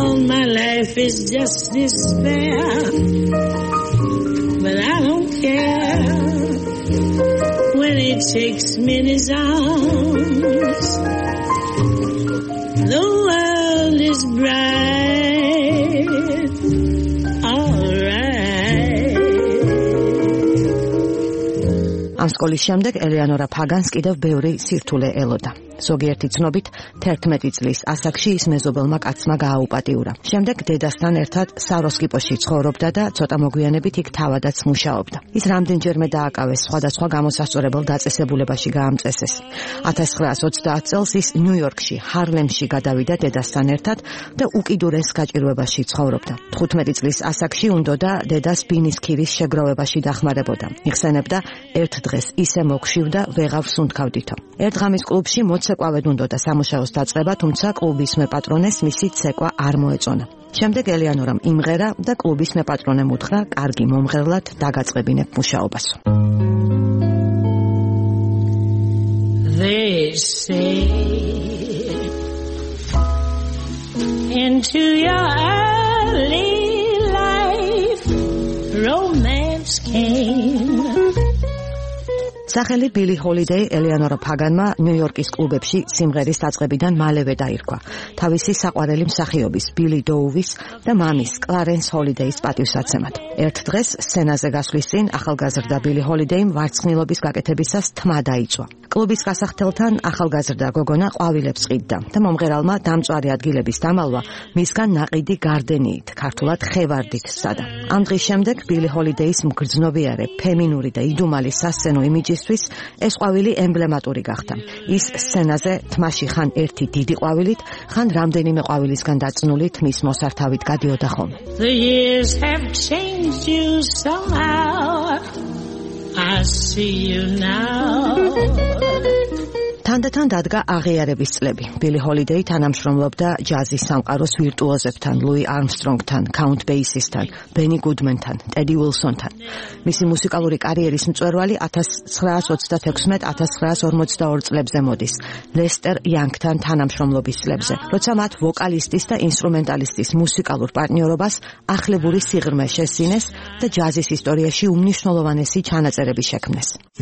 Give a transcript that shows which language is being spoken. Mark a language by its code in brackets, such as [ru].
[en] My life is just despair, but I don't care when he takes me in his arms. The world is bright, all right. [ka] ამ სკოლის შემდეგ ელეანორა ფაგანს კიდევ ბევრი სირთულე ელოდა. ზოგიერთი ცნობით 11 წლის ასაკში ის მეზობელმა კაცმა გააუპატიურა. შემდეგ დედასთან ერთად საროსკიპოში ცხოვრობდა და ცოტა მოგვიანებით იქ თავადაც მუშაობდა. ის რამდენჯერმე დააკავეს სხვადასხვა გამოსასწორებელ დაწესებულებაში გაამწესეს. 1920 წელს ის ნიუ-იორკში, ჰარლემში გადავიდა დედასთან ერთად და უკიდურეს გაჭირვებაში ცხოვრობდა. 15 წლის ასაკში უნდოდა დედას ბინისქირის შეგროვებაში დახმარებოდა. იხსენებდა: ერთ დღეს ისე მოხშივდა, ვეღარ ვსუნთქავდითო. ერთ ღამის კლუბში მოცეკვავედ უნდოდა სამუშაოს დაწყება, თუმცა კლუბის მეპატრონეს მისი ცეკვა არ მოეწონა. შემდეგ ელეანორამ იმღერა და კლუბის მეპატრონემ უთხრა, კარგი მომღერლად დაგაწყებინებ მუშაობას. [en] They say into your early life romance came. [ka] სახელი ბილი ჰოლიდეი ელეანორა ფაგანმა ნიუ-იორკის კლუბებში სიმღერის დაწყებიდან მალევე დაირქვა თავისი საყვარელი მსახიობის ბილი დოუვის და მამის კლარენს ჰოლიდეის პატივსაცემად. ერთ დღეს სცენაზე გასვლის წინ ახალგაზრდა ბილი ჰოლიდეიმ ვარცხნილობის გაკეთებისას თმა დაიწვა. კლუბის გასახლთელთან ახალგაზრდა გოგონა ყვავილებს ყიდდა და მომღერალმა დამწვარი ადგილების დამალვა მისგან ნაყიდი გარდენიით, ქართულად ხევარდით სადა. ამ დღის შემდეგ ბილი ჰოლიდეის მგრძნობიარე, ფემინური და იდუმალი სასცენო იმიჯისთვის ეს ყვავილი ემბლემატური გახდა. ის სცენაზე თმაში ხან ერთი დიდი ყვავილით, ხან რამდენიმე ყვავილისგან დაწნული თმის მოსართავით გადიოდა ხოლმე. [en] The years have changed you somehow. I see you now. [ka] თანდათან დადგა აღიარების წლები. ბილი ჰოლიდეი თანამშრომლობდა ჯაზის სამყაროს ვირტუოზებთან, ლუი არმსტრონგთან, კაუნტ ბეისისთან, ბენი გუდმენთან, ტედი უილსონთან. მისი მუსიკალური კარიერის მწვერვალი 1936-1942 წლებზე მოდის, ლესტერ იანგთან თანამშრომლობის წლებზე, როცა მათ ვოკალისტის და ინსტრუმენტალისტის მუსიკალურ პარტნიორობას ახლებური სიღრმე შესინეს და ჯაზის ისტორიაში უმნიშვნელოვანესი ჩანაწერები შექმნეს.